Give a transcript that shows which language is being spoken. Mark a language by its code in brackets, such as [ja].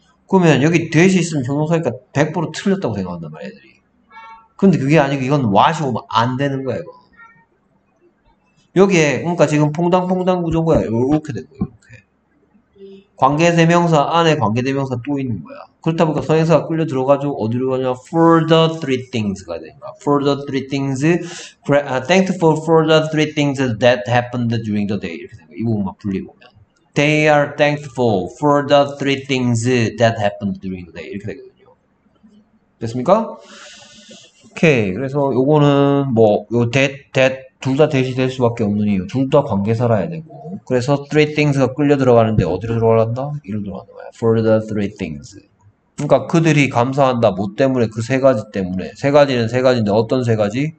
[ko] 그러면 여기 대시 있으면 형용사니까 100% 틀렸다고 생각한단 말이야, 애들이. 근데 그게 아니고 이건 와시 오면 안 되는 거야, 이거. 여기에 그러니까 지금 퐁당퐁당 구조인 거야. 이렇게 된 거야. 관계대명사 안에 관계대명사 또 있는 거야. 그렇다 보니까 선행사가 끌려 들어가죠. 어디로 가냐? [en] For the three things [ko] 가 되는 거야. [en] For the three things, thankful for the three things that happened during the day. [ko] 이렇게 되는 거야. 이 부분만 분리해보면. [en] They are thankful for the three things that happened during the day. [ko] 이렇게 되거든요. 됐습니까? 오케이. 그래서 요거는 뭐, 요 that, 둘다 대시 될 수밖에 없는 이유. 둘다 관계사라야 되고. 그래서 [en] three things [ko] 가 끌려 들어가는데 어디로 들어간다? 이로 들어가는 거야. [en] For the three things. [ko] 그러니까 그들이 감사한다. 뭐 때문에? 그세 가지 때문에. 세 가지는 세 가지인데 어떤 세 가지?